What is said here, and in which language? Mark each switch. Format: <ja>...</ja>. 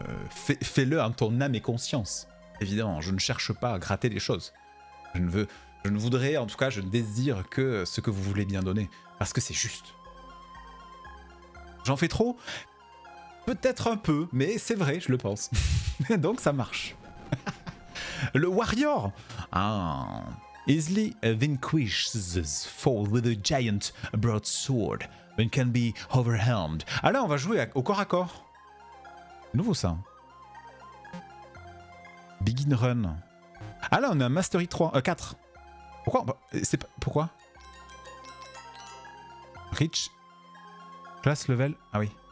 <fr>Fais-le en ton âme et conscience, évidemment. Je ne cherche pas à gratter les choses. Je ne désire que ce que vous voulez bien donner. Parce que c'est juste. J'en fais trop ? Peut-être un peu, mais c'est vrai, je le pense. Donc ça marche. Le warrior ! Ah.</fr> <en>Easily vanquishes foe with a giant broadsword and can be overwhelmed.</en> <fr>Ah là, on va jouer au corps à corps. C'est nouveau ça.</fr> <en>Begin run.</en> <fr>Ah là, on est à Mastery 3, 4. Pourquoi ? Pourquoi ?</fr> <en>Reach, class level,</en> <fr>ah oui.</fr>